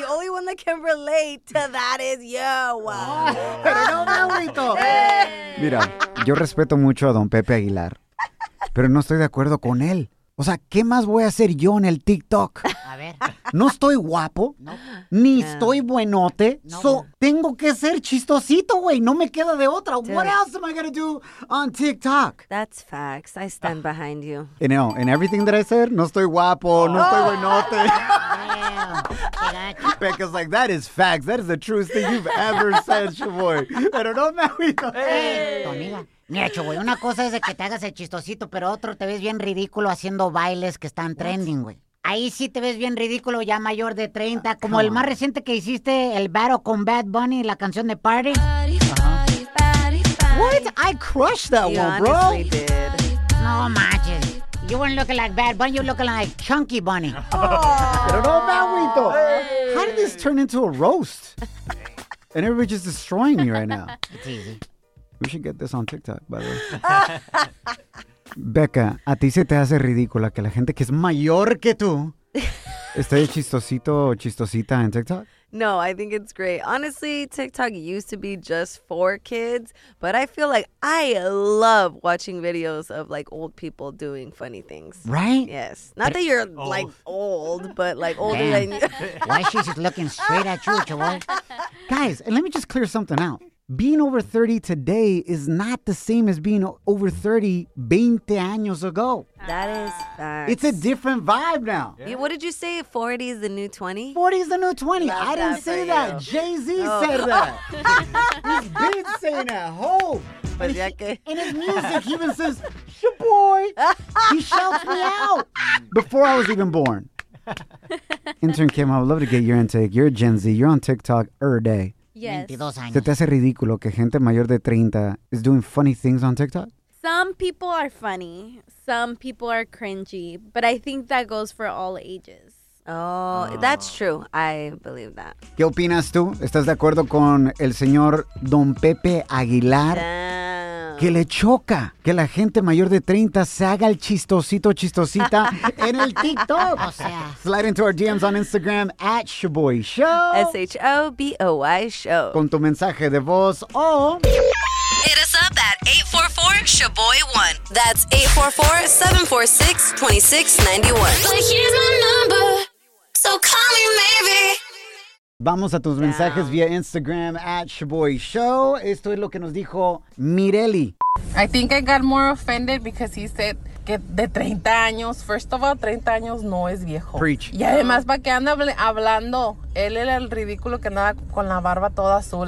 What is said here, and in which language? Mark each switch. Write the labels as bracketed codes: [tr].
[en] The only one that can relate to that is you. [es] Pero no, abuelito. Mira, yo respeto mucho a don Pepe Aguilar, pero no estoy de acuerdo con él. O sea, ¿qué más voy a hacer yo en el TikTok? A ver. No estoy guapo, [en] nope. [es] Ni estoy buenote, nope. So tengo que ser chistosito, güey. No me queda de otra. Dude. [en] What else am I gonna do on TikTok? That's facts. I stand behind you. You know, in everything that I said, [es] no estoy guapo, no estoy buenote. [en] Becca's like, that is facts. That is the truest thing you've ever said, Shaboy. [es] Pero no me aguito. [en] Hey. [es] Mira, Shaboy, una cosa es de que te hagas el chistosito, pero otro te ves bien ridículo haciendo bailes que están trending, güey. Ahí sí te ves bien ridículo, ya mayor de 30, como el más reciente que hiciste, el Battle con Bad Bunny, la canción de Party. [en] What? I crushed that you one, bro. Did. [es] No manches. [en] You weren't looking like Bad Bunny, you were looking like Chunky Bunny. [es] Pero no, Maguito. [en] How did this turn into a roast? And everybody's just destroying me right now. It's easy. We should get this on TikTok, by the way. [es] Becca, a ti se te hace ridícula que la gente que es mayor que tú esté chistosito o chistosita en TikTok? [en] No, I think it's great. Honestly, TikTok used to be just for kids, but I feel like I love watching videos of like old people doing funny things. Right? Yes. Not that you're like old, but like older than you. Why she's just looking straight at you, Chavoy? Guys, and let me just clear something out. Being over 30 today is not the same as being over 30 20 años ago. That is facts. It's a different vibe now. Yeah. Yeah, what did you say? 40 is the new 20? 40 is the new 20. Love I didn't say that. You. Jay-Z said that. He's been saying that. Hope. In his music, he even says, Shaboy. He shouts me out. Before I was even born. Intern Kim, I would love to get your intake. You're a Gen Z. You're on TikTok every day. Yes. [es] ¿Se te hace ridículo que gente mayor de 30 [en] is doing funny things on TikTok? Some people are funny. Some people are cringy. But I think that goes for all ages. Oh, that's true. I believe that. [es] ¿Qué opinas tú? ¿Estás de acuerdo con el señor Don Pepe Aguilar? [en] Damn. [es] Que le choca que la gente mayor de 30 se haga el chistosito chistosita en el TikTok. O sea. [en] Slide into our DMs on Instagram at Shaboy Show. Shoboy Show. [es] Con tu mensaje de voz o... [en] Hit us up at 844-SHABOY1. That's 844-746-2691. But here's my number, so call me maybe. [es] Vamos a tus mensajes vía Instagram at Shaboy Show. Esto es lo que nos dijo Mireli. [en] I think I got more offended because he said [es] que de 30 años, [en] first of all, [es] 30 años no es viejo. [en] Preach. [es] Y además, ¿para qué anda hablando? Él era el ridículo que andaba con la barba toda azul.